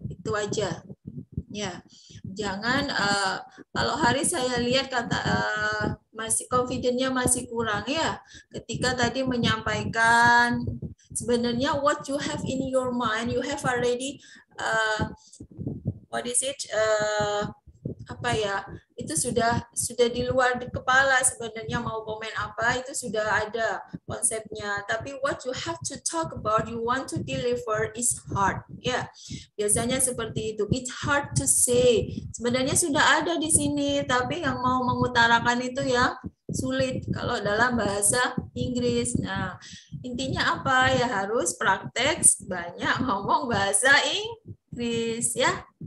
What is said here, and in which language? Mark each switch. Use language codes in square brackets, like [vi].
[id] Itu aja, ya. Yeah. Jangan kalau hari saya lihat kata masih confidentnya masih kurang ya. Ketika tadi menyampaikan sebenarnya [en] what you have in your mind, you have already what is it? [id] Apa ya? Itu sudah di luar di kepala sebenarnya mau komen apa itu sudah ada konsepnya. [en] Tapi what you have to talk about, you want to deliver is hard. Ya, yeah. [id] Biasanya seperti itu. [en] It's hard to say. [id] Sebenarnya sudah ada di sini, tapi yang mau mengutarakan itu ya sulit kalau dalam bahasa Inggris. Nah, intinya apa ya, harus praktek banyak ngomong bahasa Inggris ya.